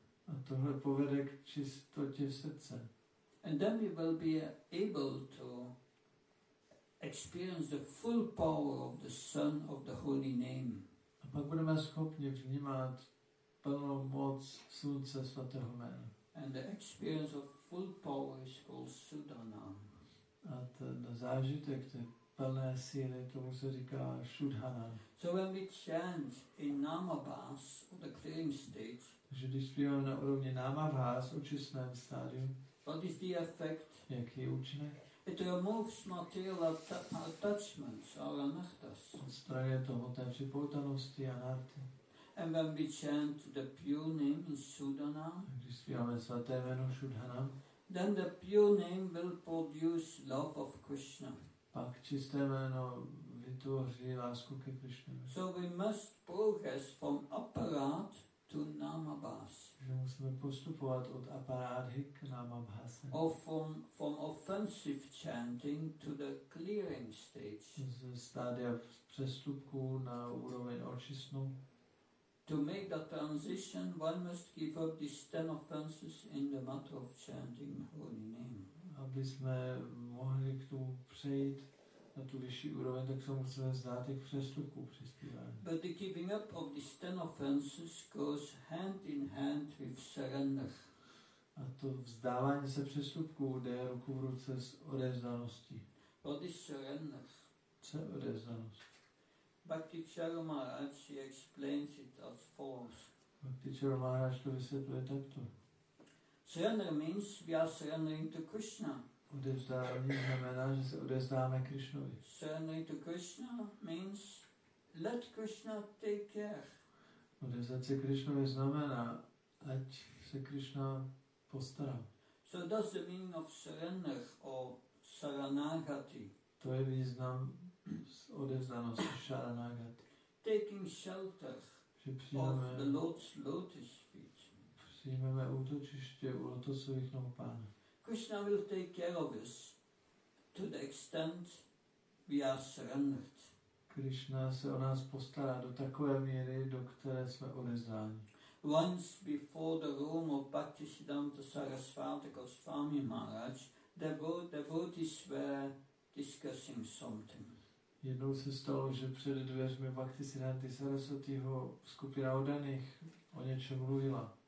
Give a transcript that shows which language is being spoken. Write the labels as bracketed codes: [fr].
[cs] A tohle povede k čistotě srdce. [en] And then we will be able to experience the full power of the Son of the Holy Name. [cs] A pak budeme schopni vnímat plnou moc Slunce svatého jména. [en] And the experience of full power is called Sudhana. [cs] A ten zážitek té plné síly, tomu se říká Sudhana. [en] So when we chant in Namabhas, the clearing stage, [cs] že když zpíváme na úrovni Namabhas, očistném stádiu, [en] what is the effect? [cs] Jaký je účinek? [en] It removes material attachments or anarthas. [cs] Odstraňuje to hmotné připoutanosti a anarty. [en] And when we chant the pure name in Sudhana, [cs] když zpíváme svaté jméno Sudhana, [en] then the pure name will produce love of Krishna. [cs] Pak čisté jméno vytvoří lásku ke Krishna. [en] So we must progress from aparat to Namabhas. [cs] Že musíme postupovat od aparádhy k Namabhase. [en] Or from offensive chanting to the clearing stage. [cs] Z stádia přestupku na úroveň očistnou. [en] To make that transition, one must give up these 10 offenses in the matter of chanting the holy name. [cs] Aby jsme mohli k tomu přejít na tu vyšší úroveň, tak se musíme vzdát těch přestupků při zpívání. [en] But the giving up of these 10 offenses goes hand in hand with surrender. [cs] A to vzdávání se přestupků jde ruku v ruce s odevzdaností. [en] What is surrender? [cs] Co je odevzdanost? [en] Bhakti Charamaraj, she explains it as follows. [cs] Bhakti Charamaraj to vysvětluje takto. [en] Surrender means we are surrendering to Krishna. [cs] Odevzdání znamená, že se odevzdáme Krishnovi. [en] Surrendering to Krishna means let Krishna take care. [cs] Odevzdat se Krishnovi znamená, ať se Krishna postará. [en] So that's the meaning of surrender or saranagati. [cs] To je význam odevzdanosti, saranagati. [en] Taking shelter of the Lord's lotus feet. [cs] Přijmeme útočiště u lotosových nohou pána. [en] Krishna will take care of us to the extent we are surrendered. [cs] Krishna se o nás postará do takové míry, do které jsme odevzdáni. [en] Once before the room of Bhaktisiddhanta Sarasvati Goswami Maharaj, the devotees were discussing something. [cs] Jednou se stalo, že před dveřmi Bhaktisiddhanty Sarasvatiho skupina oddaných o něčem mluvila.